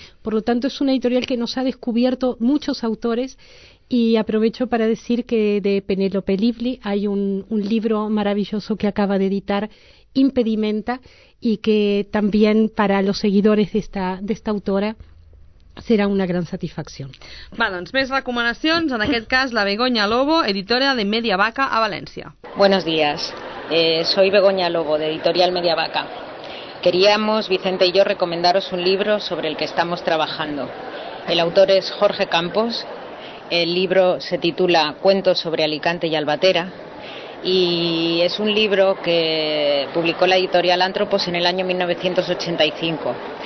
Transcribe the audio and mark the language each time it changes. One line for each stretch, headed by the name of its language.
Spanish: Por lo tanto, es una editorial que nos ha descubierto muchos autores, y aprovecho para decir que de Penélope Lively hay un libro maravilloso que acaba de editar, Impedimenta, y que también para los seguidores de esta autora
Catalan: serà una gran satisfacció. Va, doncs més recomanacions, en aquest cas la Begoña Lobo, editora de Media Vaca a València.
Spanish: Buenos días, soy Begoña Lobo, de Editorial Media Vaca. Queríamos, Vicente y yo, recomendaros un libro sobre el que estamos trabajando. El autor es Jorge Campos, el libro se titula Cuentos sobre Alicante y Albatera, y es un libro que publicó la editorial Antropos en el año 1985.